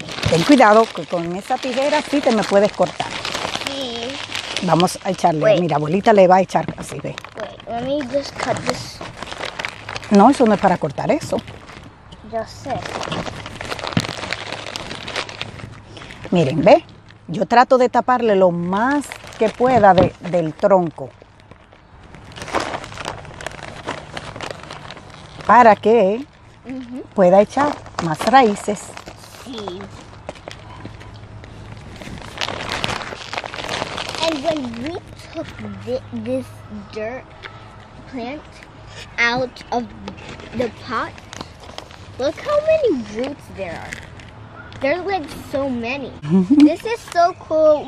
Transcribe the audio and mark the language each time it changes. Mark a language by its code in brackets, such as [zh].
[es] Ten cuidado, que con esa tijera sí te me puedes cortar. Sí. Vamos a echarle. [en] Wait. [es] Mira, abuelita le va a echar así, ve. [en] Wait, let me just cut this. [es] No, eso no es para cortar eso. Yo sé. Miren, ve, yo trato de taparle lo más que pueda del tronco. Para que pueda echar más raíces. Sí. [en] And when we took this dirt plant out of the pot, look how many roots there are. There's like so many. This is so cool.